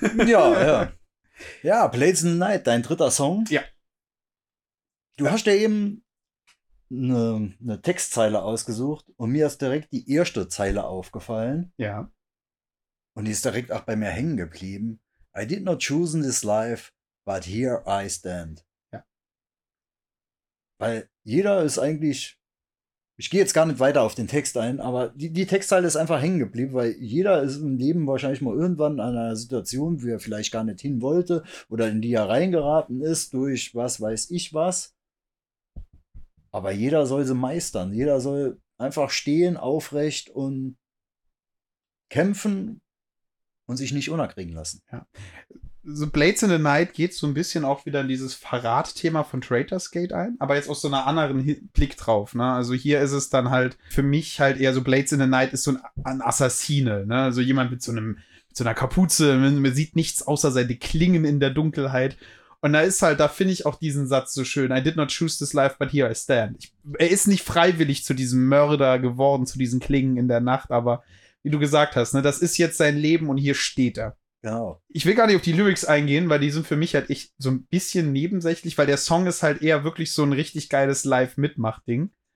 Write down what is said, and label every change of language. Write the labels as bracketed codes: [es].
[de] Ja, ja. Ja, Blades in the Night, dein dritter Song. Ja. Du hast ja eben eine Textzeile ausgesucht und mir ist direkt die erste Zeile aufgefallen. Ja. Und die ist direkt auch bei mir hängen geblieben. [en] I did not choose this life, but here I stand. [de] Weil jeder ist eigentlich, ich gehe jetzt gar nicht weiter auf den Text ein, aber die Textzeile ist einfach hängen geblieben, weil jeder ist im Leben wahrscheinlich mal irgendwann in einer Situation, wo er vielleicht gar nicht hin wollte oder in die er reingeraten ist durch was weiß ich was. Aber jeder soll sie meistern. Jeder soll einfach stehen, aufrecht und kämpfen und sich nicht unerkriegen lassen. Ja. So Blades in the Night geht so ein bisschen auch wieder in dieses Verrat-Thema von Traitor's Gate ein, aber jetzt aus so einer anderen Blick drauf. Ne? Also hier ist es dann halt für mich halt eher so, Blades in the Night ist so ein Assassine. Ne? Also jemand mit mit so einer Kapuze, man sieht nichts außer seine Klingen in der Dunkelheit. Und da ist halt, da finde ich auch diesen Satz so schön. [en] I did not choose this life, but here I stand. [de] Er ist nicht freiwillig zu diesem Mörder geworden, zu diesen Klingen in der Nacht, aber wie du gesagt hast, ne, das ist jetzt sein Leben und hier steht er. Genau. Ich will gar nicht auf die Lyrics eingehen, weil die sind für mich halt echt so ein bisschen nebensächlich, weil der Song ist halt eher wirklich so ein richtig geiles Live-Mitmach-Ding.